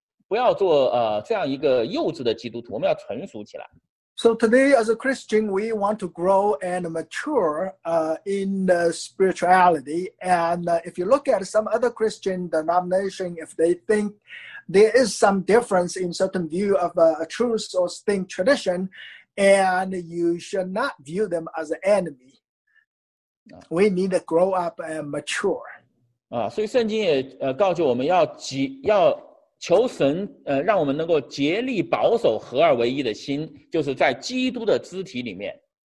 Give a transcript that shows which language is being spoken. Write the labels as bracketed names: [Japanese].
[Chinese] 不要做这样一个幼稚的基督徒，我们要成熟起来。 [English] So today, as a Christian, we want to grow and mature in the spirituality. And if you look at some other Christian denomination, if they think there is some difference in certain view of a truth or thing tradition, and you should not view them as an enemy. We need to grow up and mature. [Chinese] 所以圣经也告诫我们要极要求神让我们能够竭力保守合二为一的心，就是在基督的肢体里面。